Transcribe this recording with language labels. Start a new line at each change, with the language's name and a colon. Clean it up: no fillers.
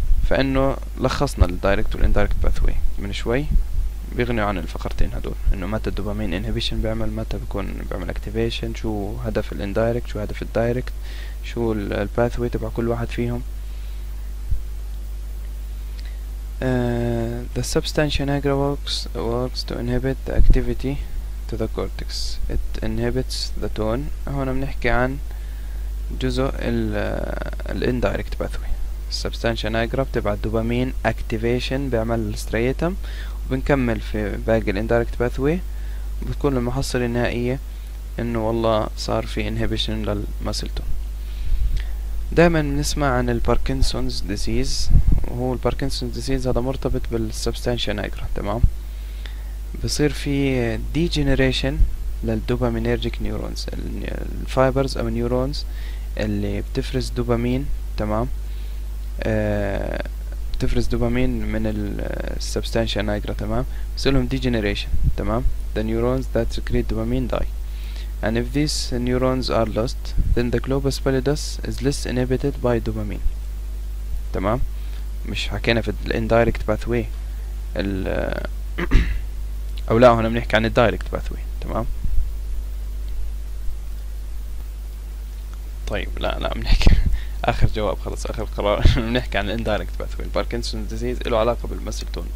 Arabic: فانه لخصنا الدايركت والاندايركت باثوي من شوي بيغنوا عن الفقرتين هدول، انه متى الدوبامين انهبيشن بيعمل، متى بيكون بيعمل اكتيفيشن، شو هدف الاندايركت، شو هدف الدايركت، شو الباثوي تبع كل واحد فيهم.
English: The substantia nigra works to inhibit the activity to the cortex. It inhibits the tone.
Arabic: هون بنحكي عن جزء ال
English: indirect pathway.
Arabic: substantia nigra بتبعت دوبامين activation بعمل الستريتم، وبنكمل في باقي ال indirect pathway. بتكون المحصلة النهائية إنه والله صار في inhibition للmuscle tone. دائما بنسمع عن الباركنسونز ديزيز، وهو الباركنسونز ديزيز هذا مرتبط بالسبستانشيا نيجرا تمام. بصير في ديجنريشن للدوبامينيرجيك نيورونز، الفايبرز او النيورونز اللي بتفرز دوبامين تمام، بتفرز دوبامين من السبستانشيا نيجرا تمام، بصير لهم ديجنريشن تمام،
English: the neurons that secrete dopamine die. And if these neurons are lost, then the globus pallidus is less inhibited by dopamine.
Arabic: تمام؟ مش حكينا في ال indirect pathway. ال أو لا هنا بنحكي عن ال direct pathway. تمام؟ طيب لا لا بنحكي آخر جواب خلص آخر قرار بنحكي عن ال indirect pathway. Parkinson's disease له علاقة بالمسل تون.